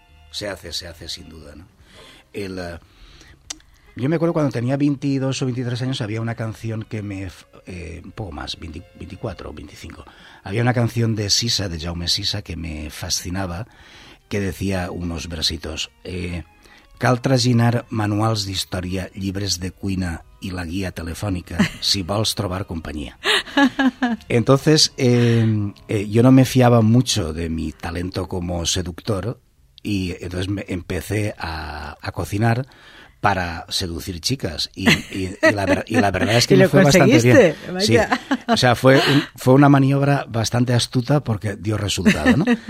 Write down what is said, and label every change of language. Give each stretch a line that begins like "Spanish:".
Spanish: Se hace, sin duda, ¿no? Yo me acuerdo cuando tenía 22 o 23 años había una canción que me... un poco más, 24 o 25. Había una canción de Sisa, de Jaume Sisa, que me fascinaba, que decía unos versitos.
Catalan: Cal traginar manuals d'història, llibres de cuina i la guia telefònica si vols trobar companyia.
Spanish: Entonces, yo no me fiaba mucho de mi talento como seductor y entonces empecé a cocinar para seducir chicas y la verdad es que me fue bastante bien. Sí. O sea, fue una maniobra bastante astuta porque dio resultado, ¿no?